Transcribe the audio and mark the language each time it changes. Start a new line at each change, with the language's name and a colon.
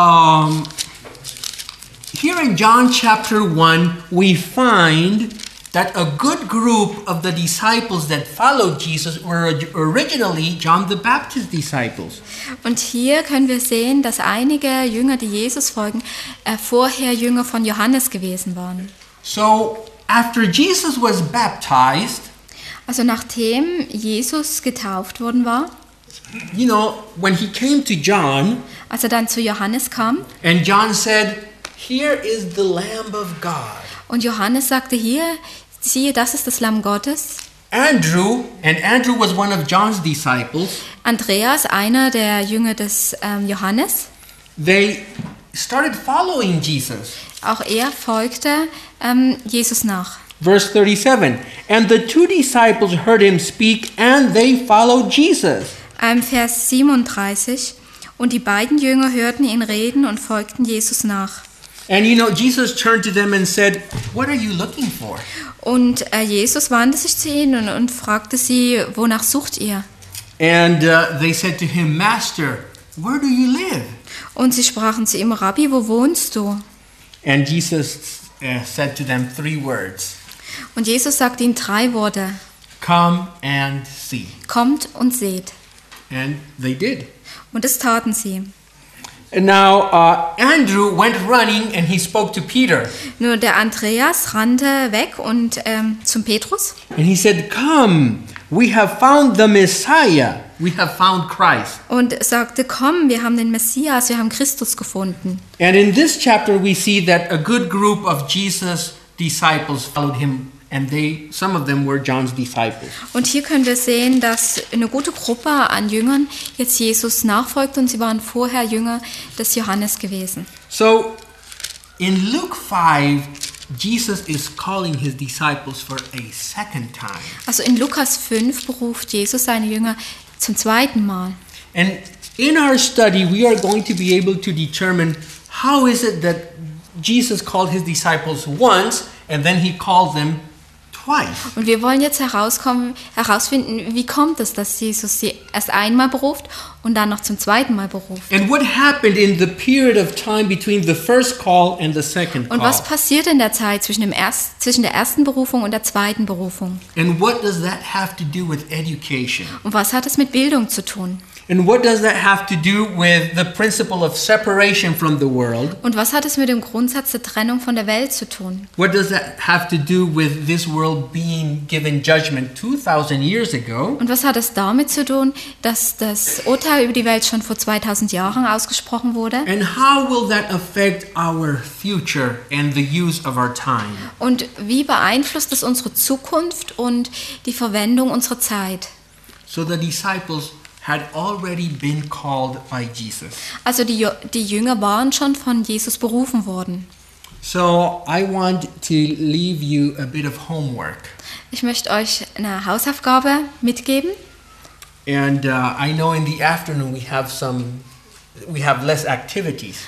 English: And here in John chapter 1, we find that a good group of the disciples that followed Jesus were originally John the Baptist's disciples.
German: Und hier können wir sehen, dass einige Jünger, die Jesus folgen, vorher Jünger von Johannes gewesen waren.
English: So, after Jesus was baptized,
German: also nachdem Jesus getauft worden war,
English: you know, when he came to John,
German: als er dann zu Johannes kam,
English: and John said, "Here is the Lamb of God."
German: Und Johannes sagte, hier, siehe, das ist das Lamm Gottes.
English: Andrew was one of John's disciples.
German: Andreas, einer der Jünger des Johannes.
English: They started following Jesus.
German: Auch er folgte Jesus nach.
English: Verse 37. And the two disciples heard him speak and they followed Jesus.
German: Vers 37. Und die beiden Jünger hörten ihn reden und folgten Jesus nach.
English: And you know, Jesus turned to them and said, "What are you looking for?"
German: Und Jesus wandte sich zu ihnen und fragte sie, wonach sucht ihr?
English: And they said to him, "Master, where do you live?"
German: Und sie sprachen zu ihm, Rabbi, wo wohnst du?
English: And Jesus said to them three words.
German: Und Jesus sagte ihnen drei Worte.
English: Come and see.
German: Kommt und seht.
English: And they did.
German: Und es taten sie.
English: Now Andrew went running and he spoke to Peter.
German: Nur der Andreas rannte weg und zum Petrus.
English: And he said, "Come, we have found the Messiah. We have found Christ."
German: Und sagte, komm, wir haben den Messias, wir haben Christus gefunden.
English: And in this chapter we see that a good group of Jesus' disciples followed him, and they, some of them were John's disciples.
German: Und hier können wir sehen, dass eine gute Gruppe an Jüngern jetzt Jesus nachfolgt und sie waren vorher Jünger des Johannes gewesen.
English: So in Luke 5 Jesus is calling his disciples for a second time.
German: Also in Lukas 5 beruft Jesus seine Jünger zum zweiten Mal.
English: And in our study we are going to be able to determine how is it that Jesus called his disciples once and then he called them twice.
German: Und wir wollen jetzt herausfinden, wie kommt es, dass Jesus sie erst einmal beruft und dann noch zum zweiten Mal beruft?
English: And what happened in the period of time between the first call and the second call?
German: Und was passiert in der Zeit zwischen der ersten Berufung und der zweiten Berufung?
English: And what does that have to do with education?
German: Und was hat es mit Bildung zu tun?
English: And what does that have to do with the principle of separation from the world?
German: Und was hat es mit dem Grundsatz der Trennung von der Welt zu tun?
English: What does that have to do with this world being given judgment 2000 years ago?
German: Und was hat es damit zu tun, dass das Urteil über die Welt schon vor 2000 Jahren ausgesprochen wurde?
English: And how will that affect our future and the use of our time?
German: Und wie beeinflusst es unsere Zukunft und die Verwendung unserer Zeit?
English: So the disciples had already been called by Jesus.
German: Also die Jünger waren schon von Jesus berufen worden.
English: So I want to leave you a bit of homework.
German: Ich möchte euch eine Hausaufgabe mitgeben.
English: And I know in the afternoon we have less activities.